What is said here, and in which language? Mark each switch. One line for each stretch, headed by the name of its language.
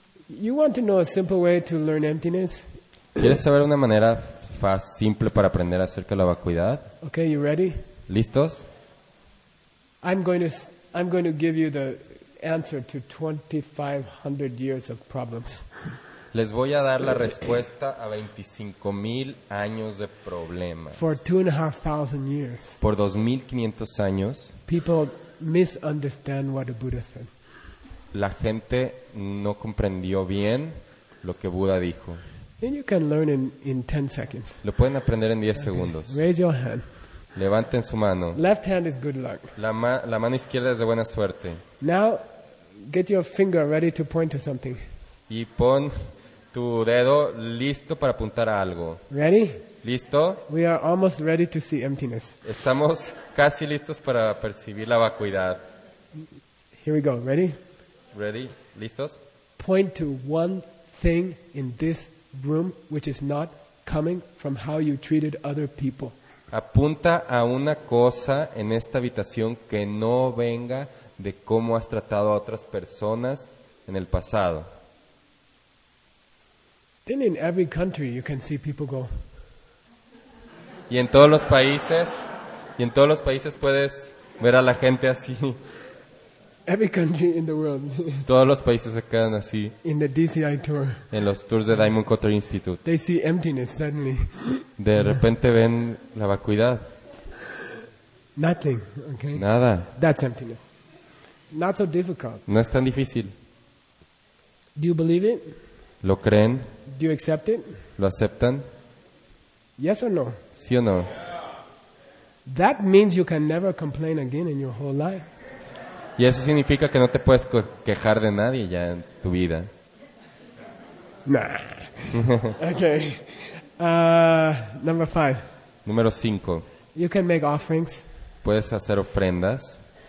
English: You want to know a simple way to learn emptiness?
Spanish: ¿Quieres saber una manera fácil, simple para aprender acerca de la vacuidad?
English: Okay, you ready?
Spanish: ¿Listos?
English: I'm going to give you the answer to 2,500 years of problems.
Spanish: Les voy a dar la respuesta a 25,000 años de problemas.
English: For 2,500 years.
Spanish: Por 2,500 años.
English: People misunderstand what the Buddha said.
Spanish: La gente no comprendió bien lo que Buda dijo.
English: And you can learn in 10 seconds.
Spanish: Lo pueden aprender en 10 segundos.
English: Raise your hand.
Spanish: Levanten su mano.
English: Left hand is good luck.
Spanish: La mano izquierda es de buena suerte.
English: Now get your finger ready to point to something.
Spanish: Y pon tu dedo listo para apuntar a algo.
English: Ready?
Spanish: ¿Listo?
English: We are almost ready to see emptiness.
Spanish: Estamos casi listos para percibir la vacuidad.
English: Here we go. Ready? Ready?
Spanish: ¿Listos?
English: Point to one thing in this room which is not coming from how you treated other people.
Spanish: Apunta a una cosa en esta habitación que no venga de cómo has tratado a otras personas en el pasado.
English: Then in every country you can see people go.
Spanish: Y en todos los países puedes ver a la gente así.
English: Every country in the world.
Spanish: Todos los países se quedan así.
English: In the DCI tour.
Spanish: En los tours de Diamond Cutter Institute.
English: They see emptiness suddenly.
Spanish: De repente ven la vacuidad.
English: Nothing, okay.
Spanish: Nada.
English: That's emptiness. Not so difficult.
Spanish: No es tan difícil.
English: Do you believe it?
Spanish: ¿Lo creen?
English: Do you accept it?
Spanish: ¿Lo aceptan?
English: Yes or no?
Spanish: ¿Sí o no?
English: That means you can never complain again in your whole life.
Spanish: Y eso significa que no te puedes quejar de nadie ya en tu vida.
English: Nah. Okay. Number five.
Spanish: Número 5.
English: You can make offerings.
Spanish: Puedes hacer ofrendas.